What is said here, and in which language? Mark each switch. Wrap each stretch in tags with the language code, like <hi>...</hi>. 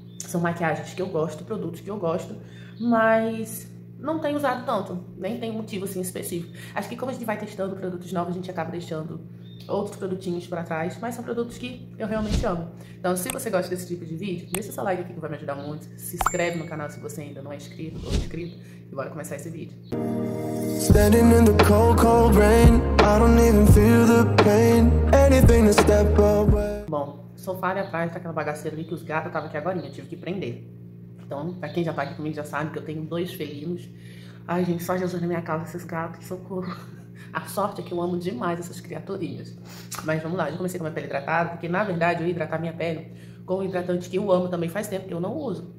<pt>São maquiagens que eu gosto, produtos que eu gosto, mas não tenho usado tanto, nem tenho motivo assim específico. Acho que como a gente vai testando produtos novos, a gente acaba deixando outros produtinhos pra trás, mas são produtos que eu realmente amo. Então, se você gosta desse tipo de vídeo, deixa seu like aqui que vai me ajudar muito. Se inscreve no canal se você ainda não é inscrito ou inscrito. E bora começar esse vídeo.</pt> <en>Standing in the cold, cold rain, I don't even feel the pain. Anything to step away.</en> <pt>Bom, sofá ali atrás tá aquela bagaceira ali que os gatos estavam aqui agorinha, tive que prender. Então, pra quem já tá aqui comigo já sabe que eu tenho dois felinos. Ai, gente, só Jesus na minha casa, esses gatos, socorro. A sorte é que eu amo demais essas criaturinhas. Mas vamos lá, já comecei com minha pele hidratada, porque na verdade eu ia hidratar minha pele com um hidratante que eu amo também faz tempo, que eu não uso.</pt>